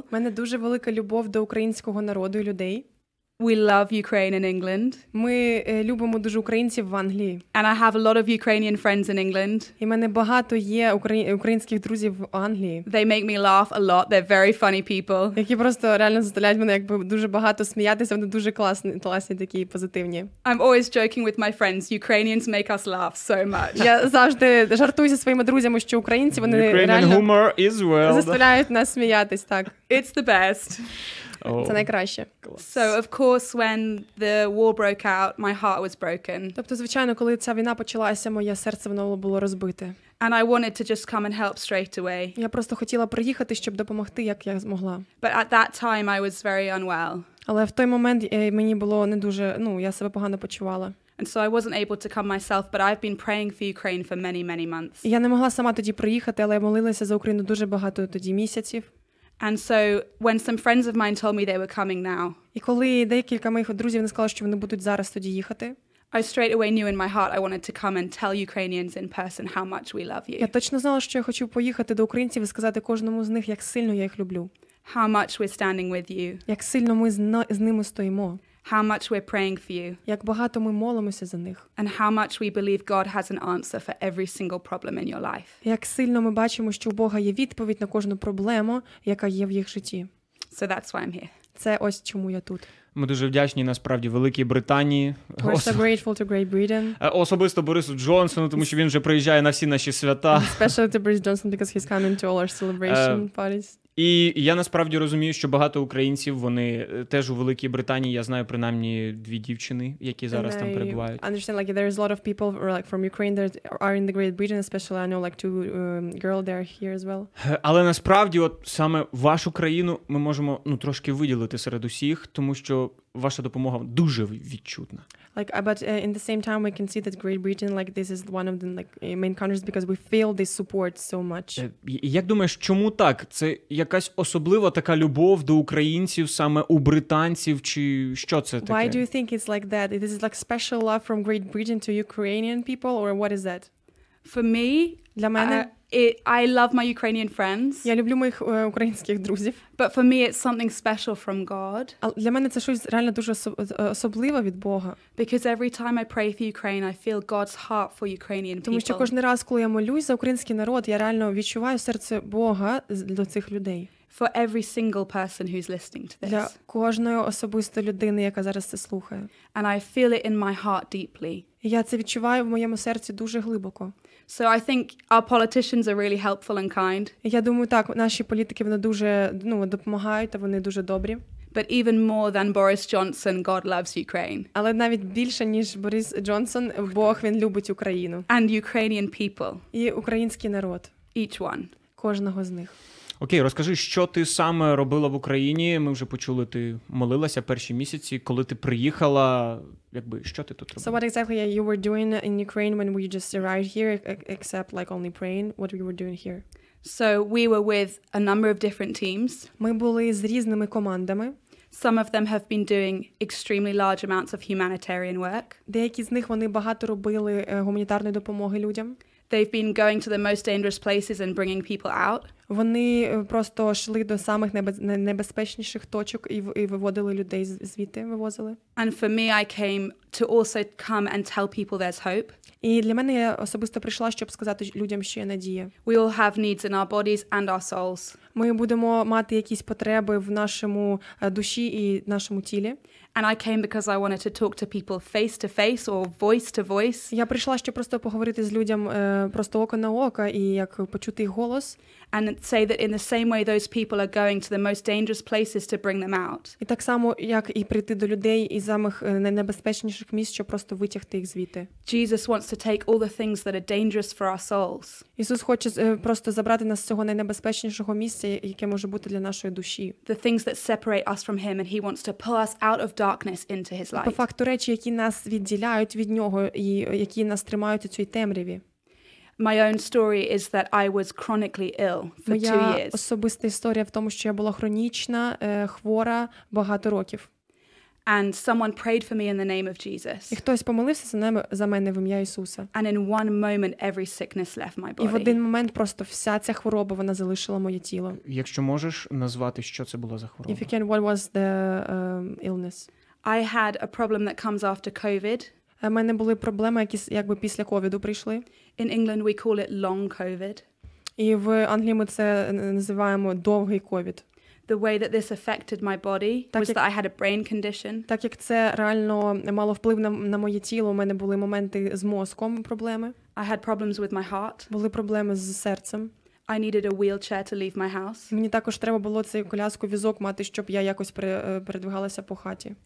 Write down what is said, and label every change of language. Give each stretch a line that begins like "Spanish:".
Ukrainian: У мене дуже велика любов до українського народу і людей.
English: We love Ukraine and England.
Ukrainian: Ми любимо дуже українців в Англії.
English: And I have a lot of Ukrainian friends in England.
Ukrainian: І мене багато є українських друзів в Англії.
English: They make me laugh a lot. They're very funny people.
Ukrainian: Які просто реально заставляють мене якби дуже багато сміятися, вони дуже класні такі позитивні.
English: I'm always joking with my friends. Ukrainians make us laugh so much.
Ukrainian: Я завжди жартую зі своїми друзями, що українці, вони реально
English: humor is well.
Ukrainian: Заставляють нас сміятись, так.
English: It's the best.
Ukrainian: Oh, це найкраще.
English: Class. So, of course, when the war broke out, my heart was broken.
Ukrainian: Тобто, звичайно, коли ця війна почалася, моє серце знову було розбите.
English: And I wanted to just come and help straight away.
Ukrainian: Я просто хотіла приїхати, щоб допомогти, як я змогла.
English: But at that time I was very unwell.
Ukrainian: Але в той момент мені було не дуже, ну, я себе погано почувала.
English: And so I wasn't able to come myself, but I've been praying for Ukraine for many, many months.
Ukrainian: Я не могла сама тоді приїхати, але я молилася за Україну дуже багато тоді місяців.
English: And so when some friends of mine told me they were coming now.
Ukrainian: І коли декілька моїх друзів сказали, що вони будуть зараз тоді їхати.
English: I straight away knew in my heart I wanted to come and tell Ukrainians in person how much we love you.
Ukrainian: Я точно знала, що я хочу поїхати до українців і сказати кожному з них, як сильно я їх люблю.
English: How much we're standing with you.
Ukrainian: Як сильно ми з ними стоїмо.
English: How much we're praying for you.
Ukrainian: Як багато ми молимося за них.
English: And how much we believe God has an answer for every single problem in your life.
Ukrainian: Як сильно ми бачимо, що у Бога є відповідь на кожну проблему, яка є в їх житті.
English: So that's why I'm here.
Ukrainian: Це ось чому я тут. Ми дуже вдячні, насправді, Великій Британії.
English: We're so grateful to Great Britain.
Ukrainian: Особисто Борису Джонсону, тому що він вже приїжджає на всі наші свята.
English: Especially to Boris Johnson, because he's coming to all our celebration parties.
Ukrainian: І я насправді розумію, що багато українців, вони теж у Великій Британії, я знаю принаймні дві дівчини, які зараз там перебувають.
English: And I understand like there is a lot of people or, like from Ukraine that are in the Great Britain, especially I know like two girls there here as well.
Ukrainian: Але насправді от саме вашу країну ми можемо, ну, трошки виділити серед усіх, тому що ваша допомога дуже відчутна.
English: Like but in the same time we can see that Great Britain like this is one of the like main countries because we feel this support so much.
Ukrainian: Як думаєш, чому так? Це якась особлива така любов до українців саме у британців чи що це таке?
English: Why do you think it's like that? This is like special love from Great Britain to Ukrainian people or what is that? For me,
Ukrainian: для мене
English: I love my Ukrainian friends.
Ukrainian: Я люблю моїх українських друзів.
English: But for me it's something special from God.
Ukrainian: Для мене це щось реально дуже особливе від Бога.
English: Because every time I pray for Ukraine, I feel God's heart for Ukrainian people.
Ukrainian: Тому що кожен раз, коли я молюсь за український народ, я реально відчуваю серце Бога до цих людей.
English: For every single person who's listening to this.
Ukrainian: Для кожної особисто людини, яка зараз це слухає.
English: And I feel it in my heart deeply.
Ukrainian: Я це відчуваю в моєму серці дуже глибоко.
English: So I think our politicians are really helpful and kind.
Ukrainian: Я думаю, так, наші політики, вони дуже, ну, допомагають, та вони дуже добрі.
English: but even more than Boris Johnson, God loves Ukraine.
Ukrainian: Але навіть більше ніж Борис Джонсон, Бог він любить Україну.
English: And Ukrainian people.
Ukrainian: І український народ.
English: Each one.
Ukrainian: Кожного з них. Окей, розкажи, що ти саме робила в Україні? Ми вже почули, ти молилася перші місяці, коли ти приїхала, якби, що ти тут робила?
English: So what exactly you were doing in Ukraine when we just arrived here, except like only praying, what we were doing here? So we were with a number of different teams.
Ukrainian: Ми були з різними командами.
English: Some of them have been doing extremely large amounts of humanitarian work.
Ukrainian: Деякі з них вони багато робили гуманітарної допомоги людям.
English: They've been going to the most dangerous places and bringing people out.
Ukrainian: Вони просто йшли до самих небезпечніших точок і виводили людей звідти, вивозили.
English: And for me, I came to also come and tell people there's hope.
Ukrainian: І для мене я особисто прийшла, щоб сказати людям, що є надія.
English: We all have needs in our bodies and our souls.
Ukrainian: Ми будемо мати якісь потреби в нашому душі і нашому тілі.
English: And I came because I wanted to talk to people face to face or voice to voice.
Ukrainian: Я прийшла, щоб просто поговорити з людям просто око на око і як почути їх голос.
English: And say that in the same way those people are going to the most dangerous places to bring them out.
Ukrainian: І так само, як і прийти до людей із самих найнебезпечніших місць, щоб просто витягти їх звідти.
English: Jesus wants to take all the things that are dangerous for our souls.
Ukrainian: Ісус хоче просто забрати нас з цього найнебезпечнішого місця, яке може бути для нашої душі.
English: The things that separate us from him, and he wants to pull us out of darkness into his light.
Ukrainian: По факту речі, які нас відділяють від нього і які нас тримають у цій темряві.
English: My own story is that I was chronically ill for 2 years.
Ukrainian: Моя особиста історія в тому, що я була хронічна, хвора багато років.
English: And someone prayed for me in the name of Jesus.
Ukrainian: І хтось помолився за мене в ім'я Ісуса.
English: And in one moment every sickness left my body.
Ukrainian: І в один момент просто вся ця хвороба вона залишила моє тіло. Якщо можеш назвати, що це було за хвороба?
English: If you can, what was the illness? I had a problem that comes after COVID.
Ukrainian: У мене були проблеми, якісь якби після ковіду прийшли.
English: In England we call it long COVID.
Ukrainian: І в Англії ми це називаємо довгий ковід.
English: The way that this affected my body
Ukrainian: так,
English: was that I had a brain condition.
Ukrainian: Так як це реально мало вплив на моє тіло, у мене були моменти з мозком проблеми.
English: I had problems with my heart.
Ukrainian: Були проблеми з серцем.
English: I needed a wheelchair to leave my house.
Ukrainian: Мені також треба було цю коляску, візок мати, щоб я якось передвигалася по хаті.